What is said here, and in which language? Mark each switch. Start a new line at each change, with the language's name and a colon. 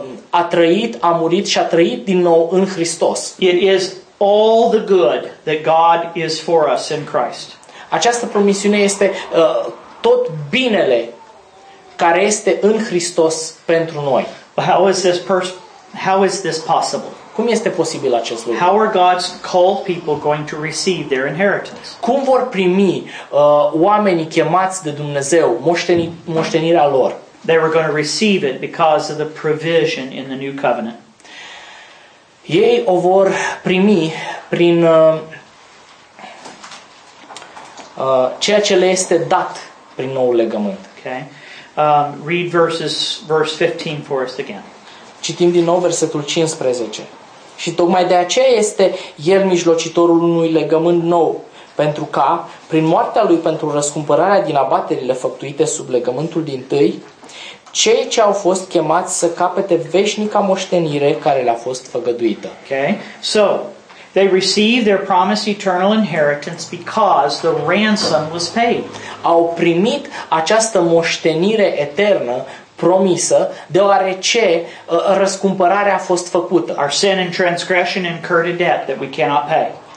Romanian: A trăit, a murit și a trăit din nou în Hristos.
English: It is all the good that God is for us in Christ.
Romanian: Această promisiune este tot binele care este în Hristos pentru noi.
English: How is this possible?
Romanian: Cum este posibil acest lucru?
English: How are God's called people going to receive their inheritance?
Romanian: Cum vor primi oamenii chemați de Dumnezeu moștenirea lor?
English: They were going to receive it because of the provision in the new covenant.
Romanian: Ei o vor primi prin ceea ce le este dat prin nou legământ.
English: Okay. Read verse 15 for us again.
Romanian: Citim din nou versetul 15. Și tocmai de aceea este el mijlocitorul unui legământ nou, pentru ca, prin moartea lui pentru răscumpărarea din abaterile făptuite sub legământul din tâi, cei ce au fost chemați să capete veșnica moștenire care le-a fost făgăduită.
English: Okay. So, they received their promised eternal inheritance because the ransom was paid.
Romanian: Au primit această moștenire eternă promisă, deoarece răscumpărarea a fost făcută.
English: Our sin and transgression incurred a debt that we cannot pay.